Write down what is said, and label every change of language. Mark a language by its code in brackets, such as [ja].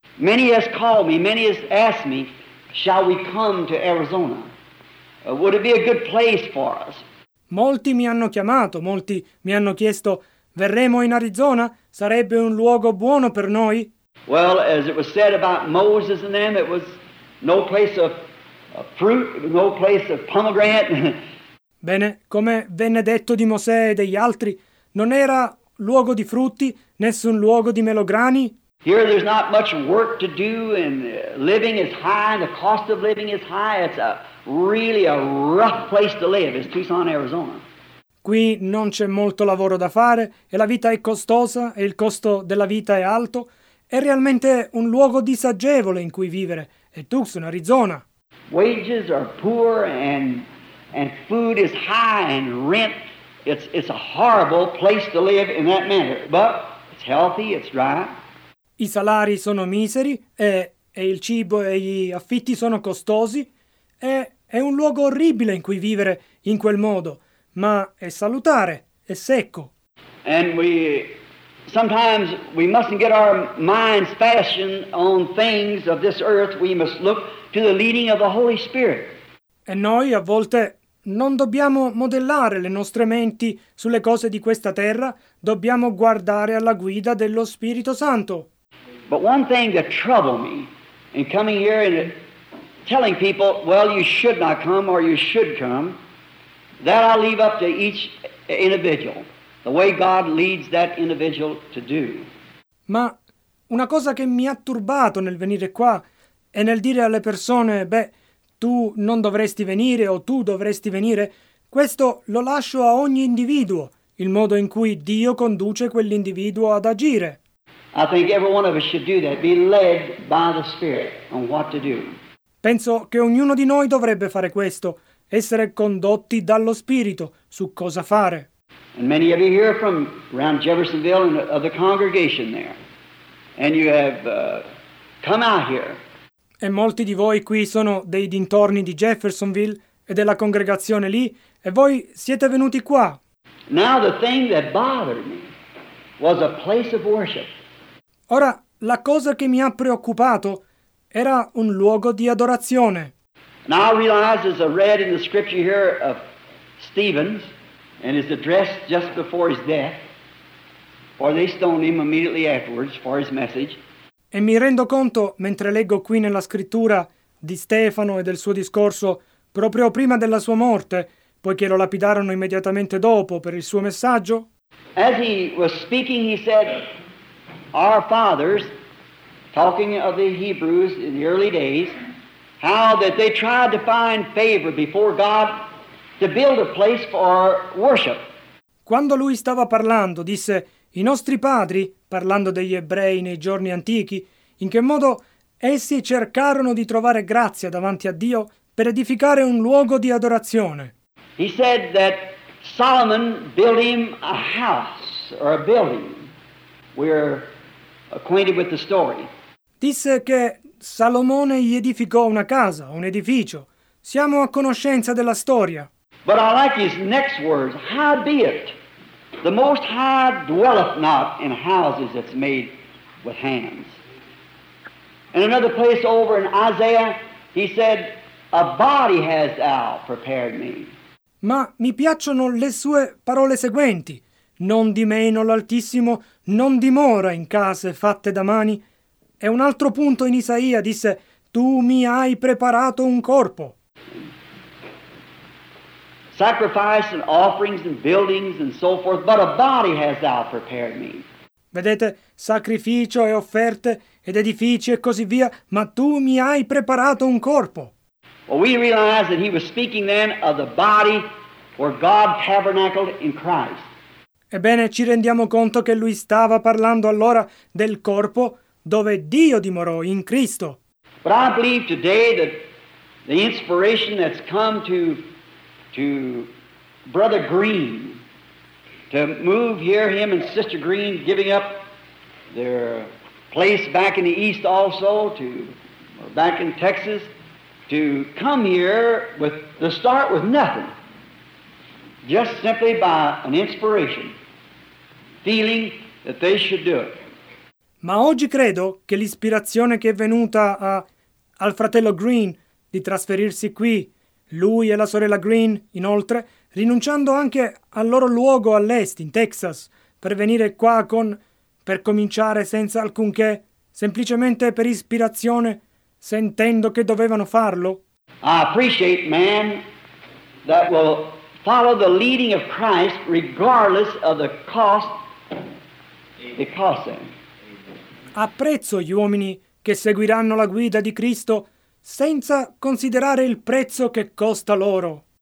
[en] Many has called me, many has asked me, shall we come to Arizona? Would it be a good place for us? [it] Molti mi hanno chiamato, molti mi hanno chiesto, verremo in Arizona? Sarebbe un luogo buono per noi? [en] Well, as it was said about Moses and them, it was no place of fruit, no place of pomegranate. [it] Bene, come venne detto di Mosè e degli altri, non era luogo di frutti, nessun luogo di melograni. [en] Here there's not much work to do, and living is high, and the cost of living is high. It's a really a rough place to live, is Tucson, Arizona. [it] Qui non c'è molto lavoro da fare, e la vita è costosa, e il costo della vita è alto. È realmente un luogo disagevole in cui vivere, è Tucson, Arizona. [en] Wages are poor, and food is high, and rent, it's a horrible place to live in that manner. But it's healthy, it's dry. [it] I salari sono miseri, e il cibo e gli affitti sono costosi, e è un luogo orribile in cui vivere in quel modo, ma è salutare, è secco. [en] And we sometimes we mustn't get our minds fastened on things of this earth, we must look to the leading of the Holy Spirit. [it] E noi a volte non dobbiamo modellare le nostre menti sulle cose di questa terra, dobbiamo guardare alla guida dello Spirito Santo. [en] But one thing that troubled me in coming here and telling people, well, you should not come or you should come, that I leave up to each individual, the way God leads that individual to do. [it] Ma una cosa che mi ha turbato nel venire qua e nel dire alle persone, beh, tu non dovresti venire o tu dovresti venire, questo lo lascio a ogni individuo, il modo in cui Dio conduce quell'individuo ad agire. [en] I think every one of us should do that, be led by the Spirit on what to do. [it] Penso che ognuno di noi dovrebbe fare questo, essere condotti dallo Spirito su cosa fare. [en] And many of you hear from around Jeffersonville and of the congregation there, and you have come out here. [it] E molti di voi qui sono dei dintorni di Jeffersonville e della congregazione lì, e voi siete venuti qua. [en] Now the thing that bothered me was a place of worship. [it] Ora, la cosa che mi ha preoccupato era un luogo di adorazione. [en] Now I realize, as I read in the scripture here of Stephen's and his address just before his death, for they stoned him immediately afterwards for his message. [it] E mi rendo conto, mentre leggo qui nella scrittura di Stefano e del suo discorso proprio prima della sua morte, poiché lo lapidarono immediatamente dopo per il suo messaggio. [en] As he was speaking, he said, our fathers, talking of the Hebrews in the early days, how that they tried to find favor before God to build a place for worship. [it] Quando lui stava parlando, disse, i nostri padri, parlando degli ebrei nei giorni antichi, in che modo essi cercarono di trovare grazia davanti a Dio per edificare un luogo di adorazione. [en] He said that Solomon built him a house or a building. We're acquainted with the story. [it] Disse che Salomone gli edificò una casa, un edificio. Siamo a conoscenza della storia. [en] But I like his next words. How be it? The Most High dwelleth not in houses that's made with hands. In another place over in Isaiah, he said, a body hast thou prepared me. [it] Ma mi piacciono le sue parole seguenti. Non di meno l'Altissimo non dimora in case fatte da mani. E un altro punto in Isaia disse, tu mi hai preparato un corpo. [en] Sacrifice and offerings and buildings and so forth, but a body hast thou prepared me. [it] Vedete, sacrificio e offerte ed edifici e così via, ma tu mi hai preparato un corpo. [en] Well, we realize that he was speaking then of the body where God tabernacled in Christ. [it] Ebbene, ci rendiamo conto che lui stava parlando allora del corpo dove Dio dimorò in Cristo. [en] But I believe today that the inspiration that's come to Brother Green to move here, him and Sister Green giving up their place back in the East also, to or back in Texas, to come here with to start with nothing, just simply by an inspiration, feeling that they should do it. [it] Ma oggi credo che l'ispirazione che è venuta al fratello Green di trasferirsi qui, lui e la sorella Green, inoltre, rinunciando anche al loro luogo all'est, in Texas, per venire qua per cominciare senza alcunché, semplicemente per ispirazione, sentendo che dovevano farlo. [en] I appreciate man that will follow the leading of Christ regardless of the cost it costs them. [it] Apprezzo gli uomini che seguiranno la guida di Cristo senza considerare il prezzo che costa loro.